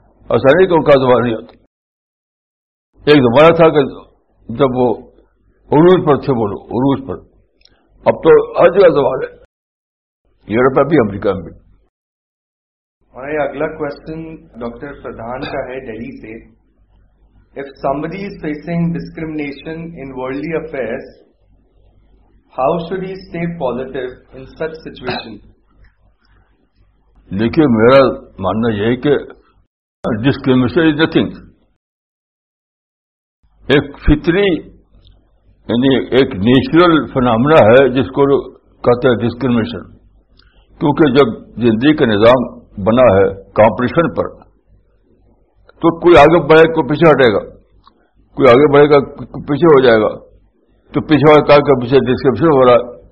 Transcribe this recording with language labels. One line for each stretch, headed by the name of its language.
Urdu: ایسا نہیں کہ ان کا زوال نہیں ہوتا. ایک زمانہ تھا کہ جب وہ عروج پر تھے, بولو عروج پر, اب تو ہر جگہ زوال ہے, یورپ میں بھی امریکہ میں بھی. ہمارا اگلا کوشچن ڈاکٹر پردھان کا ہے دہلی سے.
English: If somebody is facing discrimination in worldly affairs, how should he stay positive in such situation?
Urdu: دیکھیے, میرا ماننا یہ ہے کہ ڈسکریمنیشن از نتھنگ. ایک فطری, یعنی ایک نیچرل فنامنا ہے جس کو کہتے ہیں ڈسکریمنیشن. کیونکہ جب زندگی کا نظام بنا ہے کمپٹیشن پر, تو کوئی آگے بڑھے گا کوئی پیچھے ہٹے گا, کوئی آگے بڑھے گا پیچھے ہو جائے گا, تو پیچھے ہوتا ہے کہ پیچھے ڈسکرپشن ہو رہا ہے.